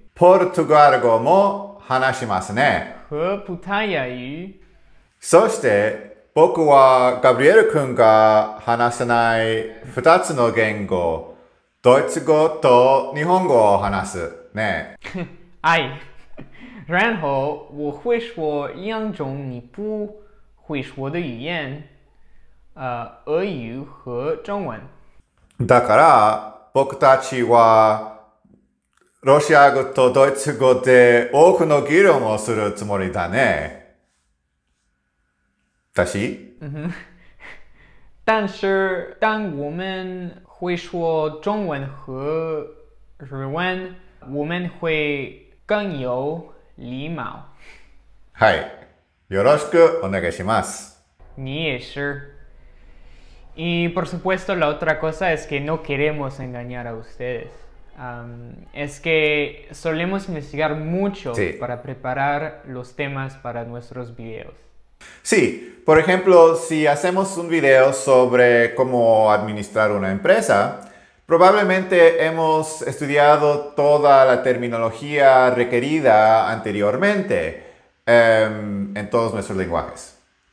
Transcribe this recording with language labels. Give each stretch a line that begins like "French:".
Japanese: ポルトガル語も話しますね。
Chinese: 和葡萄牙語。
Japanese: そして僕はガブリエル君が話せない2つの言語、ドイツ語と日本語を話すね。はい。
Chinese: 然后我会说两种你不会说的语言，俄语和中文。
Japanese: だから僕たちはロシア語とドイツ語で多くの議論をするつもりだね。だし？
Chinese: 但是当我们会说中文和日文，我们会更有礼貌。
Japanese: はい。よろしくお願いします。
Chinese: 你也是。
Spanish: Y por supuesto, la otra cosa es que no queremos engañar a ustedes. Es que solemos investigar mucho sí. para preparar los temas para nuestros videos. Sí. Por ejemplo, si hacemos un video sobre cómo administrar una empresa, probablemente hemos estudiado toda la terminología requerida anteriormente en todos nuestros lenguajes.